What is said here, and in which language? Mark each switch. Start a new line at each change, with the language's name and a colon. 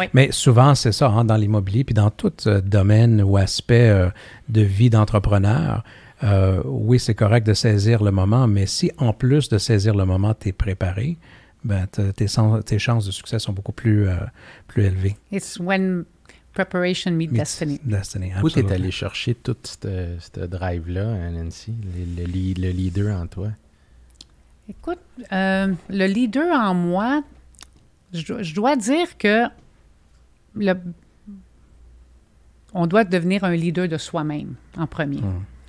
French: Mais souvent, c'est ça, hein, dans l'immobilier, puis dans tout domaine ou aspect de vie d'entrepreneur, oui, c'est correct de saisir le moment, mais si en plus de saisir le moment, t'es préparé, ben, tes chances de succès sont beaucoup plus élevées.
English: It's when preparation meets destiny.
French: Où t'es allé chercher tout ce drive-là, Nancy, le leader en toi? Écoute, le leader en moi, je dois dire que on doit devenir un leader de soi-même en premier. Mm.